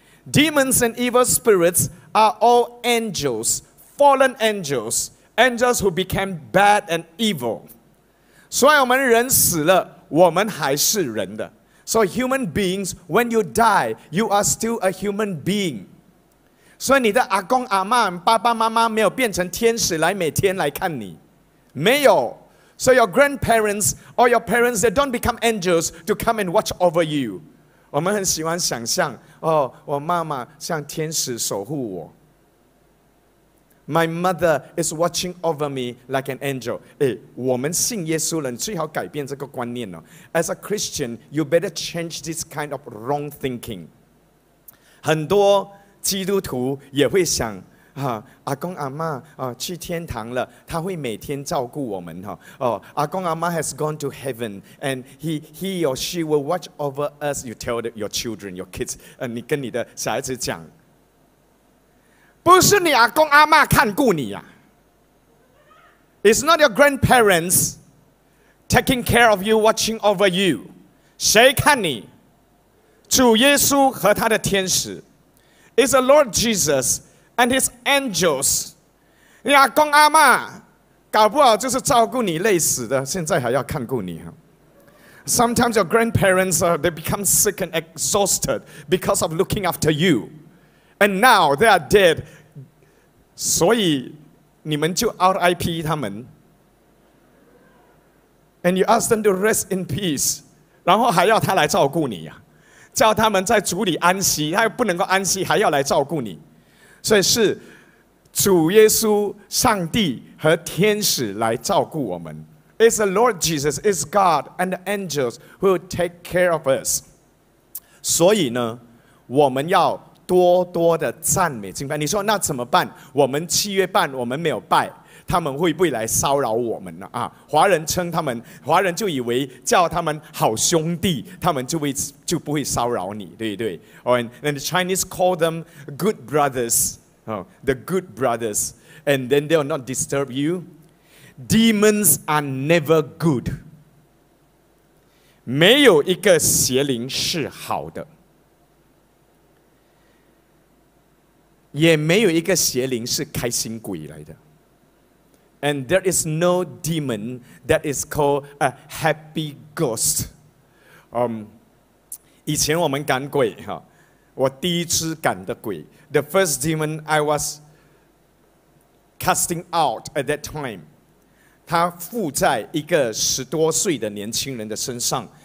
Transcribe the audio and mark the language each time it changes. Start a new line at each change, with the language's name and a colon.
English: Demons and evil spirits are all angels, fallen angels, angels who became bad and evil.
Chinese: 所以我们人死了，我们还是人的。
English: So human beings, when you die, you are still a human being.
Chinese: 所以你的阿公阿嬷爸爸妈妈没有变成天使来每天来看你，没有。
English: So your grandparents or your parents, they don't become angels to come and watch over you.
Chinese: 我们很喜欢想象，哦，我妈妈像天使守护我。
English: My mother is watching over me like an angel.
Chinese: 哎，我们信耶稣了，你最好改变这个观念哦。
English: As a Christian, you better change this kind of wrong thinking.
Chinese: 很多基督徒也会想，阿公阿嬷去天堂了，他会每天照顾我们。
English: 阿公阿嬷 has gone to heaven and he or she will watch over us. You tell your children, your kids,
Chinese: 你跟你的小孩子讲，不是你阿公阿嬷看顾你啊。
English: It's not your grandparents taking care of you, watching over you.
Chinese: 谁看你？主耶稣和他的天使。
English: It's the Lord JesusAnd his angels.
Chinese: 你阿公阿嬷搞不好就是照顾你累死的，现在还要看顾你。
English: Sometimes your grandparents, they become sick and exhausted because of looking after you. And now they are dead.
Chinese: 所以你们就 RIP 他们。
English: And you ask them to rest in peace.
Chinese: 然后还要他来照顾你，叫他们在主里安息，他又不能够安息，还要来照顾你。所以是主耶稣、上帝和天使来照顾我们。
English: It's the Lord Jesus, it's God and the angels who will take care of us.
Chinese: 所以呢，我们要多多的赞美敬拜。你说那怎么办？我们七月半我们没有拜，他们会不会来骚扰我们呢？华人称他们，华人就以为叫他们好兄弟，他们就不会骚扰你，对不对？
English: And the Chinese call them good brothers, the good brothers, and then they'll not disturb you. Demons are never good.
Chinese: 没有一个邪灵是好的，也没有一个邪灵是开心鬼来的。
English: And there is no demon that is called a happy ghost.
Chinese: 以前我们赶鬼，我第一次赶的鬼，
English: the first demon I was casting out at that time,
Chinese: 他附在一个十多岁的年轻人的身上。